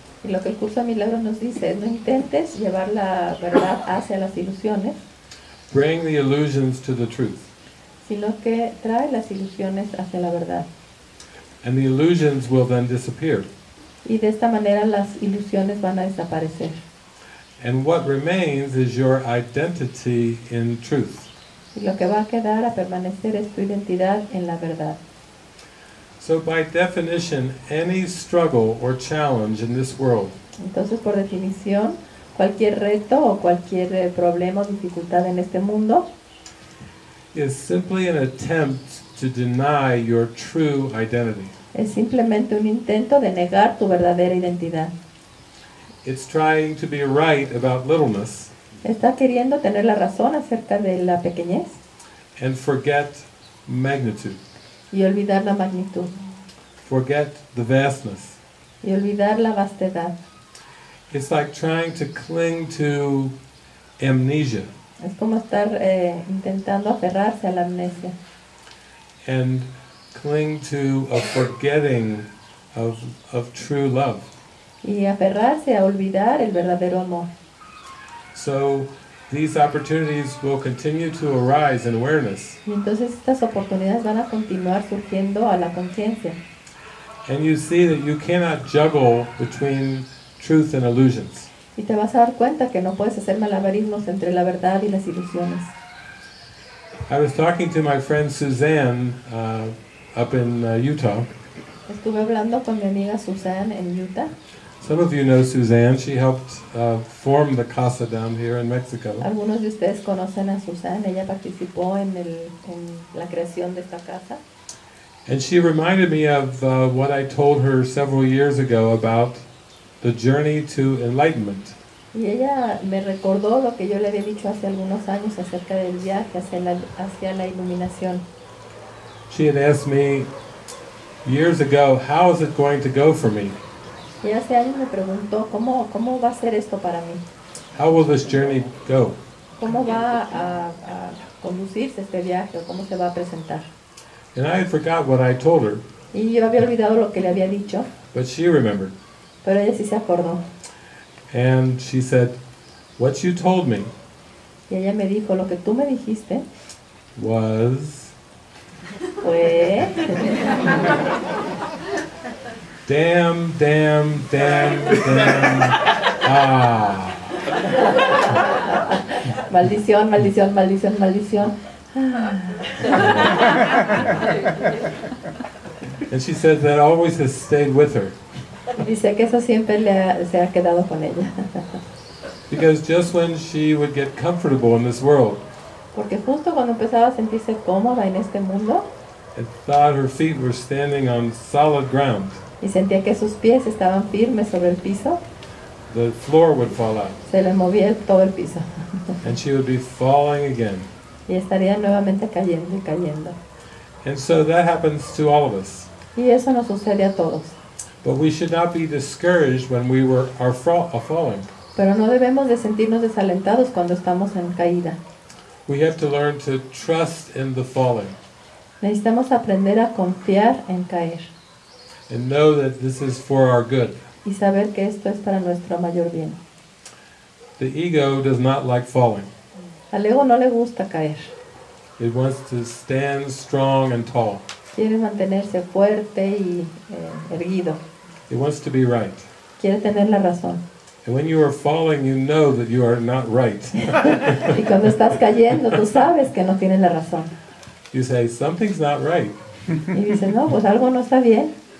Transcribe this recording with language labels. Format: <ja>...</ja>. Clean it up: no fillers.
<es>Y lo que el curso de milagros nos dice es no intentes llevar la verdad hacia las ilusiones.</es> <en>Bring the illusions to the truth.</en> <es>Sino que trae las ilusiones hacia la verdad.</es> <en>And the illusions will then disappear.</en> <es>Y de esta manera las ilusiones van a desaparecer.</es> <en>And what remains is your identity in truth.</en> <es>Y lo que va a quedar a permanecer es tu identidad en la verdad.</es> <en>So by definition, any struggle or challenge in this world.</en> <es>Entonces por definición, cualquier reto o cualquier problema o dificultad en este mundo</es> <en>is simply an attempt to deny your true identity.</en> <es>Es simplemente un intento de negar tu verdadera identidad.</es> <en>It's trying to be right about littleness.</en> <es>Está queriendo tener la razón acerca de la pequeñez.</es> <en>And forget magnitude.</en> <es>Y olvidar la magnitud.</es> <en>Forget the vastness.</en> <es>Y olvidar la vastedad.</es> <en>It's like trying to cling to amnesia.</en> <es>Es como estar intentando aferrarse a la amnesia.</es> <en>And cling to a forgetting of true love.</en> <es>Y aferrarse a olvidar el verdadero amor.</es> <en>So these opportunities will continue to arise in awareness.</en> <es>Y entonces estas oportunidades van a continuar surgiendo a la conciencia.</es> <en>And you see that you cannot juggle between truth and illusions.</en> <es>Y te vas a dar cuenta que no puedes hacer malabarismos entre la verdad y las ilusiones.</es> <en>I was talking to my friend Suzanne up in Utah.</en> <es>Estuve hablando con mi amiga Suzanne en Utah.</es> <en>Some of you know Suzanne. She helped form the casa down here in Mexico.</en> <es>Algunos de ustedes conocen a Suzanne. Ella participó en la creación de esta casa.</es> <en>And she reminded me of what I told her several years ago about the journey to enlightenment.</en> <es>Y ella me recordó lo que yo le había dicho hace algunos años acerca del viaje hacia la iluminación.</es> <en>She had asked me years ago, how is it going to go for me?</en> <es>Y hace años me preguntó, ¿cómo va a ser esto para mí?</es> <en>How will this journey go?</en> <es>¿Cómo va a conducirse este viaje o cómo se va a presentar?</es> <en>And I had forgot what I told her.</en> <es>Y yo había olvidado lo que le había dicho.</es> <en>But she remembered.</en> <es>Pero ella sí se acordó.</es> <en>And she said, what you told me,</en> <es>y ella me dijo, lo que tú me dijiste</es> <en>was</en> <es>fue</es> <en>damn, damn, damn, damn, ah.</en> <es>Maldición, maldición, maldición, maldición.</es> <en>And she said that always has stayed with her.</en> <es>Dice que eso siempre se ha quedado con ella.</es> <en>Because just when she would get comfortable in this world.</en> <es>Porque justo cuando empezaba a sentirse cómoda en este mundo.</es> <en>And thought her feet were standing on solid ground.</en> <es>Y sentía que sus pies estaban firmes sobre el piso.</es> <en>The floor would fall out.</en> <es>Se le movía todo el piso.</es> <en>And she would be falling again.</en> <es>Y estaría nuevamente cayendo y cayendo.</es> <en>And so that happens to all of us.</en> <es>Y eso nos sucede a todos.</es> <en>But we should not be discouraged when we are falling.</en> <es>Pero no debemos de sentirnos desalentados cuando estamos en caída.</es> <en>We have to learn to trust in the falling.</en> <es>Necesitamos aprender a confiar en caer.</es> <en>And know that this is for our good.</en> <es>Y saber que esto es para nuestro mayor bien.</es> <en>The ego does not like falling.</en> <es>Al ego no le gusta caer.</es> <en>It wants to stand strong and tall.</en> <es>Quiere mantenerse fuerte y erguido.</es> <en>It wants to be right.</en> <es>Quiere tener la razón.</es> <en>And when you are falling, you know that you are not right.</en> <es>Y cuando estás cayendo, tú sabes que no tienes la razón.</es> <en>You say, something's not right.</en> <es>Y dices, no, pues algo no está bien.</es>